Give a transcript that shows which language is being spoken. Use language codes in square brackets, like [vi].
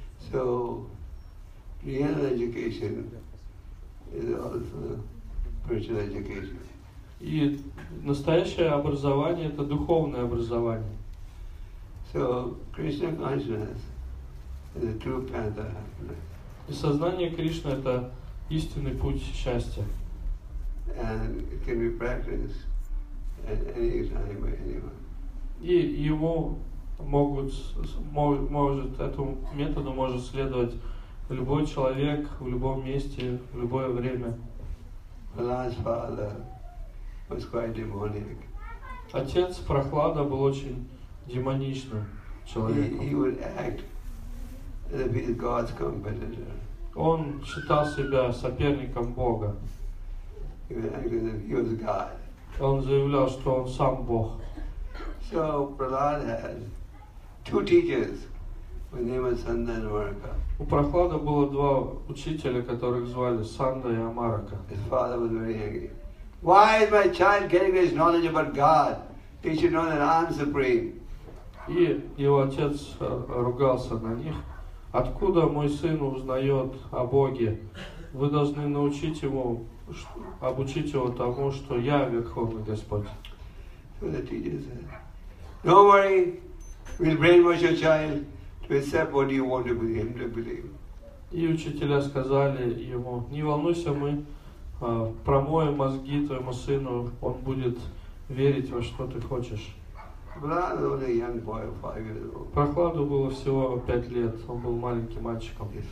[en] So real education is also spiritual education. [ru] И настоящее образование это духовное образование. [en] So Krishna consciousness is a true path of happiness. [ru] И сознание Кришны это истинный путь счастья. [en] And it can be practiced at any time by anyone. [ru] И ему могут может этому методу может следовать любой человек в любом месте в любое время. [en] Was quite demonic. [ru] Отец Прохлада был очень демоничным человеком. [en] He would act as if he's God's competitor. [ru] Он считал себя соперником Бога. [en] He would act as if he was God. [ru] Он заявлял, что он сам Бог. [en] So Prahlad had two teachers, whose name was Sanda and Amaraka. [ru] У Прохлада было два учителя, которых звали Санда и Амарака. [en] His father was very angry. Why is my child getting this knowledge about God? He should know that I am supreme. [ru] И его отец ругался на них. Откуда мой сын узнает о Боге? Вы должны научить его, обучить его тому, что я Верховный Господь. [en] Don't worry, we'll brainwash your child to accept what you want to believe, to believe. [ru] И учителя сказали ему: не волнуйся, мы промоем мозги твоему сыну, он будет верить во что ты хочешь. Прохладу было всего 5 лет, он был маленьким мальчиком.